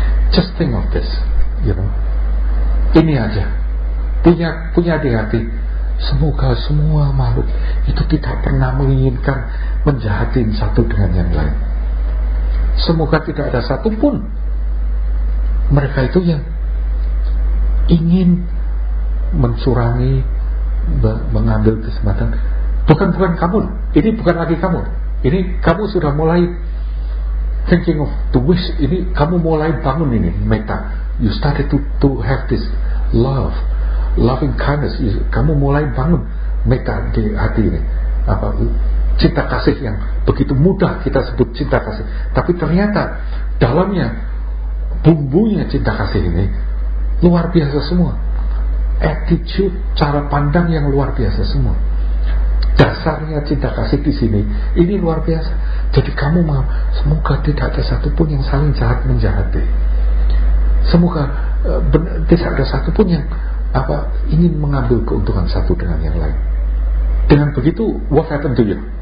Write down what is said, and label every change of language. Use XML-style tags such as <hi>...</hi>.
<en>Just think of this, you know.</en> <id>Ini aja punya di hati. Semoga semua makhluk itu tidak pernah menginginkan menjahatin satu dengan yang lain. Semoga tidak ada satupun mereka itu yang ingin mencurangi, mengambil kesempatan. Bukan kamu. Ini bukan lagi kamu. Ini kamu sudah mulai</id> <en>thinking of the wish.</en> <id>Ini kamu mulai bangun ini meta.</id> <en>You started to have this love. Loving kindness,</en> <id>kamu mulai bangun meta di hati ini. Apa cinta kasih yang begitu mudah kita sebut cinta kasih, tapi ternyata dalamnya bumbunya cinta kasih ini luar biasa semua. Attitude, cara pandang yang luar biasa semua. Dasarnya cinta kasih di sini ini luar biasa. Jadi kamu mau semoga tidak ada satupun yang saling jahat menjahati. Semoga tidak ada satupun yang apa ingin mengambil keuntungan satu dengan yang lain. Dengan begitu,</id> <en>what happened to you?</en>